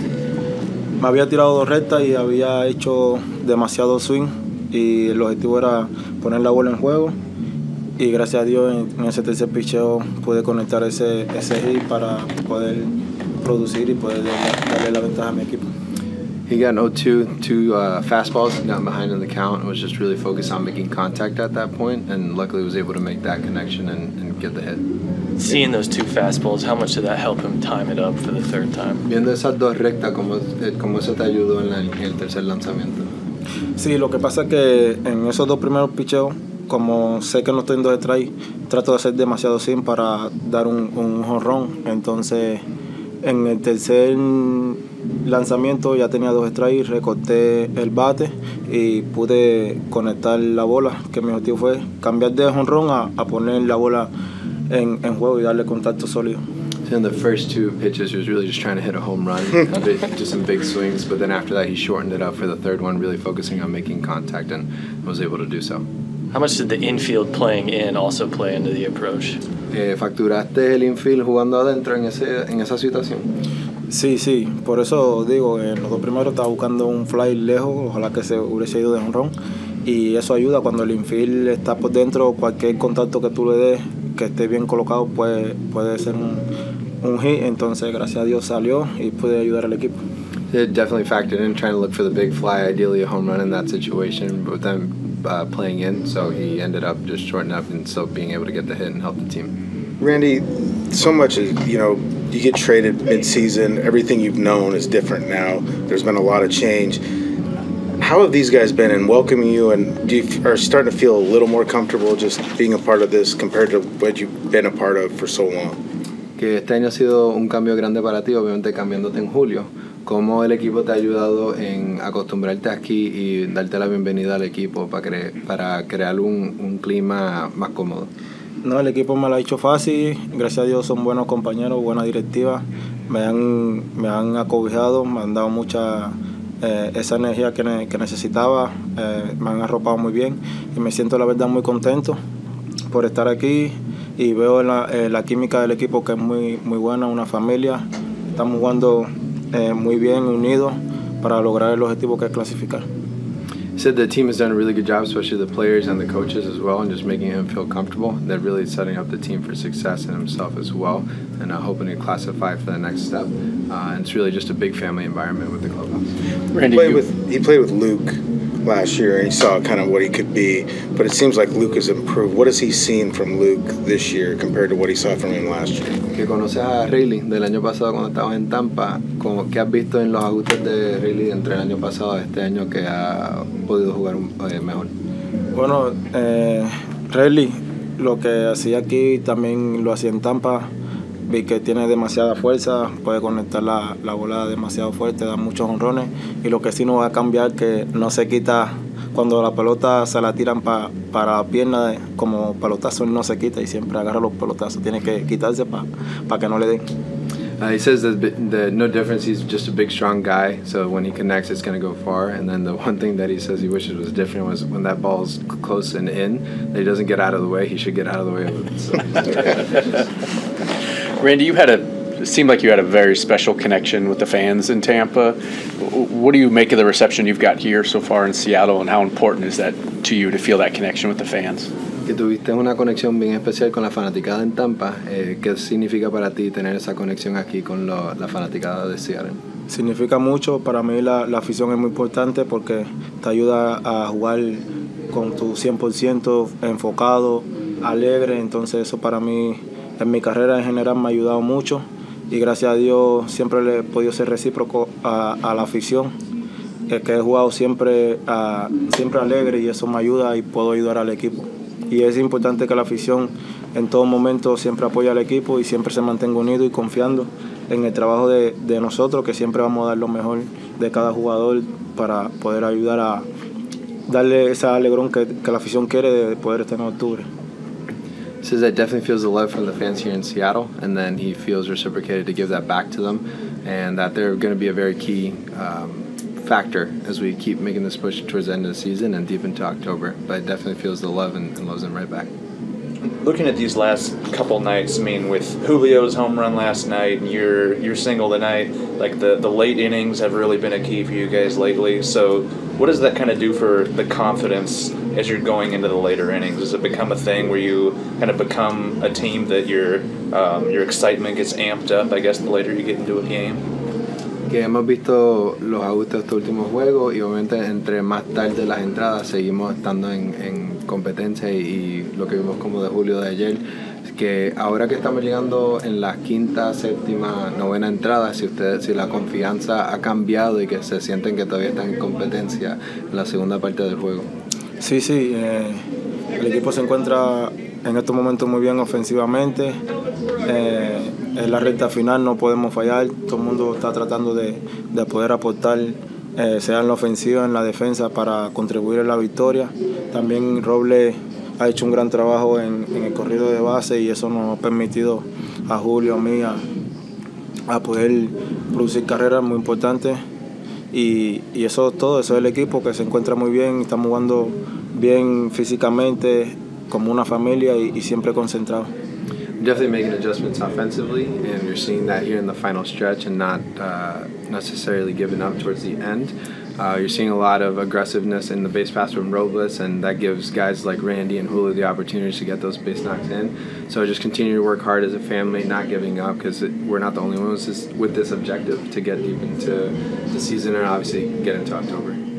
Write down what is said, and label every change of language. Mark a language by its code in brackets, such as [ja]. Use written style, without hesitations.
[es] Me había tirado 2 rectas y había hecho demasiado swing. Y el objetivo era poner la bola en juego. Y gracias a Dios, en ese tercer picheo pude conectar ese hit para poder producir y poder darle la ventaja a mi equipo. [en] He got an 0-2, two fastballs, got behind in the count, and was just really focused on making contact at that point, and luckily was able to make that connection and get the hit. Seeing those two fastballs, how much did that help him time it up for the third time? [es] Viendo esas 2 rectas, ¿cómo eso te ayudó en el tercer lanzamiento? Sí, lo que pasa es que en esos 2 primeros picheos, como sé que no estoy en 2 strikes, trato de hacer demasiado swing para dar un home run. Entonces, en el tercer lanzamiento ya tenía 2 strikes, recorté el bate y pude conectar la bola, que mi objetivo fue cambiar de home run a poner la bola en juego y darle contacto sólido. [en] So in the first 2 pitches, he was really just trying to hit a home run, just some big swings, but then after that he shortened it up for the third one, really focusing on making contact, and was able to do so. How much did the infield playing in also play into the approach? [es] ¿Facturaste el infield jugando adentro en esa situación? Sí, sí. Por eso digo, en los 2 primeros estaba buscando un fly lejos, ojalá que se hubiese ido de jonrón. Y eso ayuda cuando el infield está por dentro, cualquier contacto que tú le des, que esté bien colocado, puede ser un hit. Entonces, gracias a Dios salió y pude ayudar al equipo. [en] It definitely factored in, trying to look for the big fly, ideally a home run in that situation, but then playing in, so he ended up just shortening up and still being able to get the hit and help the team. Randy, so much is, you know, you get traded mid-season, everything you've known is different now, there's been a lot of change. How have these guys been in welcoming you, and do you are starting to feel a little more comfortable just being a part of this compared to what you've been a part of for so long? [es] Que este año ha sido un cambio grande para ti, obviamente cambiándote en julio. ¿Cómo el equipo te ha ayudado en acostumbrarte aquí y darte la bienvenida al equipo para crear un clima más cómodo? No, el equipo me lo ha hecho fácil. Gracias a Dios son buenos compañeros, buena directiva. Me han acobijado, me han dado mucha esa energía que necesitaba. Me han arropado muy bien y me siento la verdad muy contento por estar aquí. Y veo la química del equipo, que es muy, muy buena, una familia. Estamos jugando muy bien unidos para lograr el objetivo que es clasificar. [en] Said the team has done a really good job, especially the players and the coaches as well, and just making him feel comfortable. They're really setting up the team for success and himself as well, and hoping to classify for the next step. And it's really just a big family environment with the clubhouse. Randy, he played with Luke last year, and he saw kind of what he could be, but it seems like Luke has improved. What has he seen from Luke this year compared to what he saw from him last year? [es] Que conoces a Rayleigh del año pasado cuando estabas en Tampa, como que has visto en los ajustes de Rayleigh entre el año pasado y este año que ha podido jugar mejor? Bueno, Rayleigh, lo que hacía aquí también lo hacía en Tampa. Vi que tiene demasiada fuerza, puede conectar la bola demasiado fuerte, da muchos jonrones. Y lo que sí no va a cambiar, que no se quita cuando la pelota se la tiran para la pierna, como pelotazo, no se quita y siempre agarra los pelotazos. Tiene que quitarse pa que no le den. [en] He says that no difference, he's just a big, strong guy, so when he connects, it's going to go far. And then the one thing that he says he wishes was different was when that ball's close and in, that he doesn't get out of the way, he should get out of the way of it. So. Randy, it seemed like you had a very special connection with the fans in Tampa. What do you make of the reception you've got here so far in Seattle, and how important is that to you to feel that connection with the fans? [es] Que tuviste una conexión bien especial con la fanaticada en Tampa. ¿Qué significa para ti tener esa conexión aquí con la fanaticada de Seattle? Significa mucho. Para mí la afición es muy importante porque te ayuda a jugar con tu 100% enfocado, alegre. Entonces eso para mí en mi carrera en general me ha ayudado mucho. Y gracias a Dios siempre he podido ser recíproco a la afición. Que he jugado siempre alegre y eso me ayuda y puedo ayudar al equipo. Y es importante que la afición en todo momento siempre apoye al equipo y siempre se mantenga unido y confiando en el trabajo de nosotros, que siempre vamos a dar lo mejor de cada jugador para poder ayudar a darle esa alegrón que la afición quiere de poder estar en octubre. [en] Says that definitely feels the love from the fans here in Seattle, and then he feels reciprocated to give that back to them, and that they're going to be a very key factor as we keep making this push towards the end of the season and deep into October. But it definitely feels the love and loves him right back. Looking at these last couple nights, I mean, with Julio's home run last night and your single tonight, like the late innings have really been a key for you guys lately. So what does that kind of do for the confidence as you're going into the later innings? Does it become a thing where you kind of become a team that your excitement gets amped up, I guess, the later you get into a game? [es] Que hemos visto los ajustes de este último juego y obviamente entre más tarde las entradas seguimos estando en competencia y lo que vimos como de Julio de ayer, que ahora que estamos llegando en la quinta, séptima, novena entrada, si la confianza ha cambiado y que se sienten que todavía están en competencia en la segunda parte del juego. Sí, sí, el equipo se encuentra en estos momentos muy bien ofensivamente. En la recta final no podemos fallar, todo el mundo está tratando de poder aportar, sea en la ofensiva, en la defensa, para contribuir a la victoria. También Robles ha hecho un gran trabajo en el corrido de base y eso nos ha permitido a Julio, a mí, a poder producir carreras muy importantes. Y eso es todo, eso es el equipo que se encuentra muy bien, estamos jugando bien físicamente, como una familia y siempre concentrado. [en] Definitely making adjustments offensively, and you're seeing that here in the final stretch and not necessarily giving up towards the end. You're seeing a lot of aggressiveness in the base pass from Robles, and that gives guys like Randy and Julio the opportunity to get those base knocks in. So just continue to work hard as a family, not giving up, because we're not the only ones with this objective to get deep into the season and obviously get into October.